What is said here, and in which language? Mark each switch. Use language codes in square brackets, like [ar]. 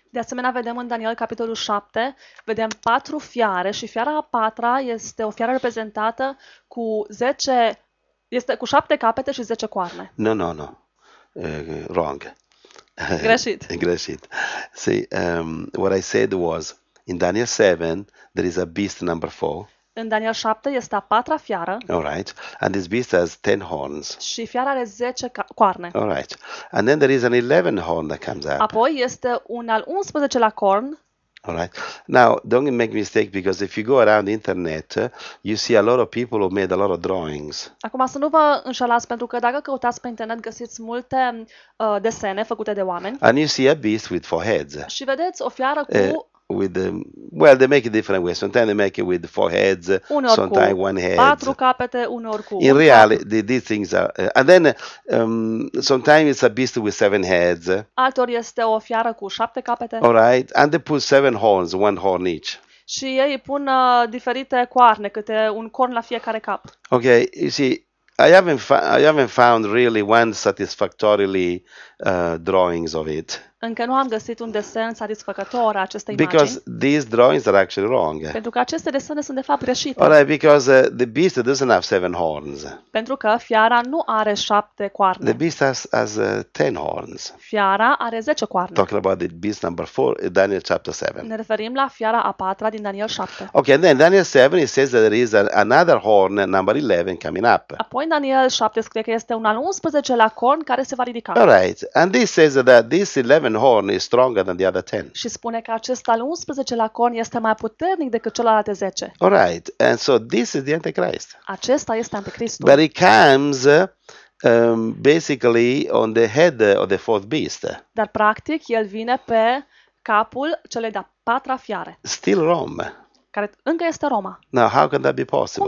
[ro] De asemenea, vedem în Daniel capitolul 7, vedem patru fiare și fiara a patra este o fiară reprezentată cu 10. Este cu 7 capete și 10 coarne. [en] No. Wrong. [ro] Greșit. Greșit. [en] See, what I said was, in Daniel 7, there is a beast number 4. [ro] În Daniel 7 este a patra fiară. [en] All right. And this beast has 10 horns. [ro] Și fiara are 10 coarne. [en] All right. And then there is an 11 horn that comes up. [ro] Apoi este un al 11-lea corn. [en] All right. Now, don't make a mistake because if you go around the internet, you see a lot of people who made a lot of drawings. [ro] Acum să nu vă înșelați pentru că dacă căutați pe internet găsiți multe desene făcute de oameni. [en] And you see a beast with four heads. [ro] Și vedeți o fiară cu [en] with the, well, they make it different ways. Sometimes they make it with four heads, [ro] uneori [en] sometimes [ro] cu [en] one head. [ro] Patru capete, uneori cu [en] in reality, these things are. And then sometimes it's a beast with seven heads. [ro] Altori este o fiară cu șapte capete. [en] All right, and they put seven horns, one horn each. [ro] Și ei pun diferite coarne, câte un corn la fiecare cap. [en] Okay, you see, I haven't found really one satisfactorily drawings of it. [ro] Încă nu am găsit un desen satisfăcător a acestei imagini. [en] Because these drawings are actually wrong. [ro] Pentru că aceste desene sunt de fapt greșite. [en] All right, because the beast doesn't have seven horns. [ro] Pentru că fiara nu are șapte coarne. [en] The beast has 10 horns. [ro] Fiara are 10 coarne. [en] Talking about the beast number 4 in Daniel chapter 7. [ro] Ne referim la fiara a patra din Daniel 7. [en] Okay, and then Daniel 7 it says that there is another horn number 11 coming up. [ro] Apoi în Daniel 7 scrie că este un al 11-lea corn care se va ridica. [en] All right. And this says that this 11 horn is stronger than the other 10. [ro] Și spune că acest al 11-lea corn este mai puternic decât celălalt de 10. [en] All right. And so this is the Antichrist. [ro] Acesta este Antichristul. [en] But he comes basically on the head of the fourth beast. [ro] Dar practic el vine pe capul celei de-a patra fiare. [en] Still Rome. [ro] Care încă este Roma. [en] Now, how can that be possible?